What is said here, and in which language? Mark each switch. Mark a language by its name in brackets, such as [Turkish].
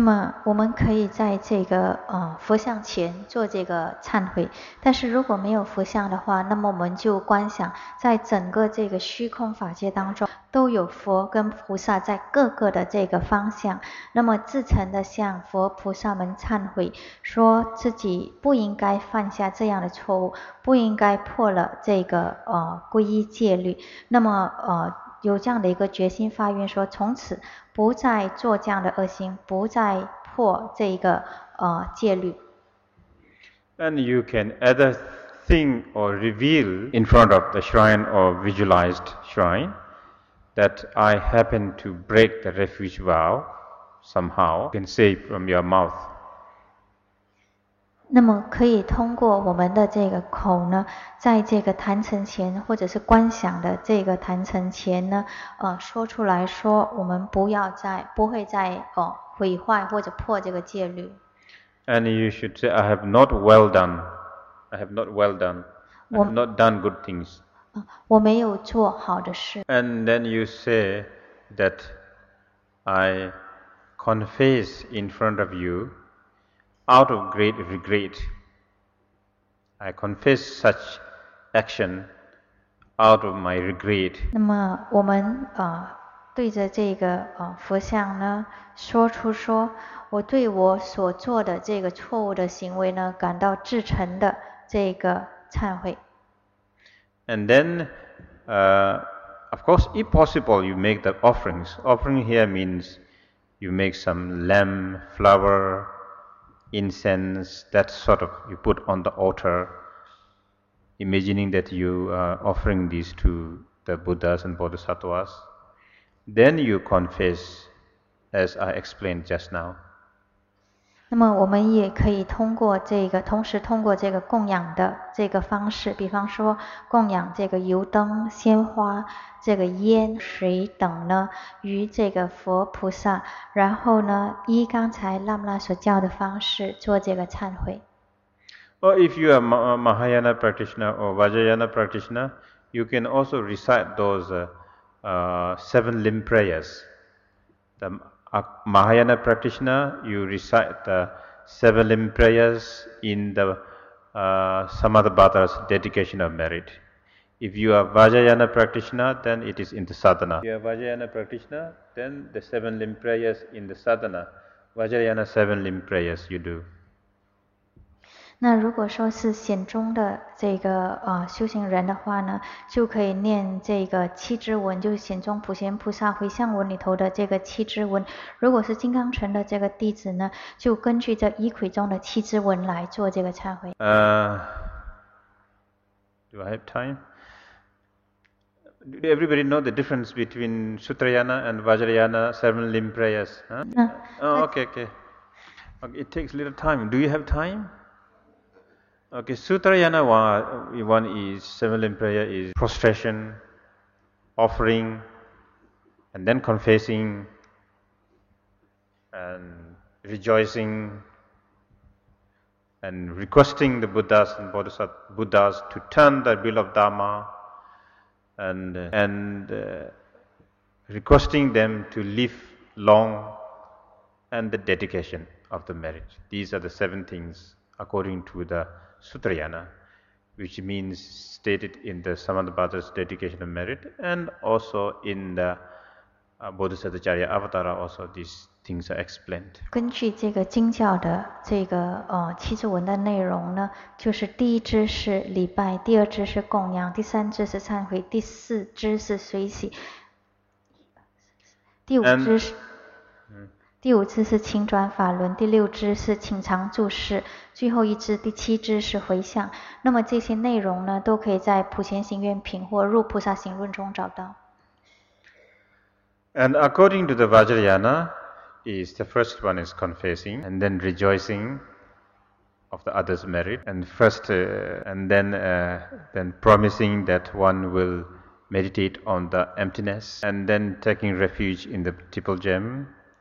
[Chinese] 那么我们可以在这个佛像前做这个忏悔，但是如果没有佛像的话，那么我们就观想在整个这个虚空法界当中都有佛跟菩萨在各个的这个方向，那么自诚的向佛菩萨们忏悔，说自己不应该犯下这样的错误，不应该破了这个皈依戒律，那么有这样的一个决心发愿，说从此不再做这样的恶行，不再破这个戒律。 [English] And you can either think or reveal in front of the shrine or visualized shrine that I happen to break the refuge vow somehow. You can say from your mouth. [Chinese] 那么可以通过我们的这个口呢，在这个坛城前或者是观想的这个坛城前呢，说出来说我们不会再毁坏或者破这个戒律。 [English] And you should say, I have not well done. I have not well done. I have not done good things. [Chinese] 我没有做好的事。 [English] And then you say that I confess in front of you. Out of great regret, I confess such action out of my regret. [Chinese] 那么我们对着这个佛像呢，说出说我对我所做的这个错误的行为呢，感到至诚的这个忏悔。 [English] And then, of course, if possible, you make the offerings. Offering here means you make some lamb, flower. Incense, that sort of you put on the altar, imagining that you are offering these to the Buddhas and Bodhisattvas, then you confess, as I explained just now. [Chinese] 那么我们也可以通过这个，同时通过这个供养的这个方式，比方说供养这个油灯、鲜花、这个烟、水等呢，与这个佛菩萨，然后呢，依刚才拉姆拉所教的方式做这个忏悔。 [English] Or if you are Mahayana practitioner or Vajrayana practitioner, you can also recite those seven limb prayers. The Mahayana practitioner, you recite the seven limb prayers in the Samatha Bhatta's dedication of merit. If you are Vajrayana practitioner, then it is in the sadhana. If you are Vajrayana practitioner, then the seven limb prayers in the sadhana. Vajrayana seven limb prayers you do. [Chinese] 那如果说是显中的这个修行人的话呢，就可以念这个七支文，就是显中普贤菩萨回向文里头的这个七支文。如果是金刚乘的这个弟子呢，就根据这仪轨中的七支文来做这个忏悔。 [English] Do I have time? Do everybody know the difference between Sutrayana and Vajrayana seven limb prayers? Okay. It takes little time. Do you have time? Okay, Sutrayana one is seven limb prayer is prostration, offering, and then confessing, and rejoicing, and requesting the Buddhas and Bodhisattvas to turn the wheel of Dharma, and requesting them to live long, and the dedication of the merit. These are the seven things according to the. Sutrayana, which means stated in the Samanta Bhatta's dedication of merit, and also in the Bodhisattva Charya Avatara, also these things are explained. [Chinese] 根据这个经教的这个七支文的内容呢，就是第一支是礼拜，第二支是供养，第三支是忏悔，第四支是随喜，第五支是。第五支是请转法轮，第六支是请常住持，最后一支第七支是回向。那么这些内容呢，都可以在普贤行愿品或入菩萨行论中找到。 [English] And according to the Vajrayana, is the first one is confessing, and then rejoicing of the other's merit, and first, then promising that one will meditate on the emptiness, and then taking refuge in the triple gem.